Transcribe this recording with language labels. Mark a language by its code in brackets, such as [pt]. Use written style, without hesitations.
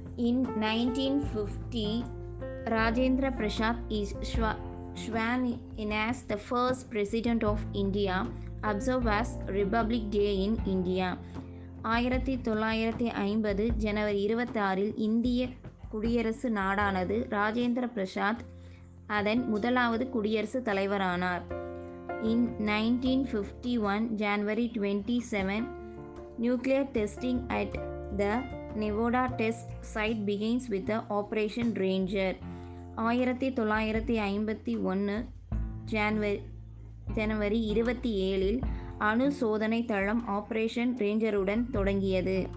[en] In 1950, Rajendra Prasad is sworn in as the first president of India, observed as Republic Day in India. [ta] 1950, January 26, இந்திய குடியரசு நாடானது. Rajendra Prasad அதன் முதலாவது குடியரசு தலைவரானார். [en] In 1951, January 27, nuclear testing at the Nevada test site begins with the Operation Ranger. [ta] 1951, ஜனவரி 27, அணு சோதனை தளம் operation ரேஞ்சருடன் தொடங்கியது.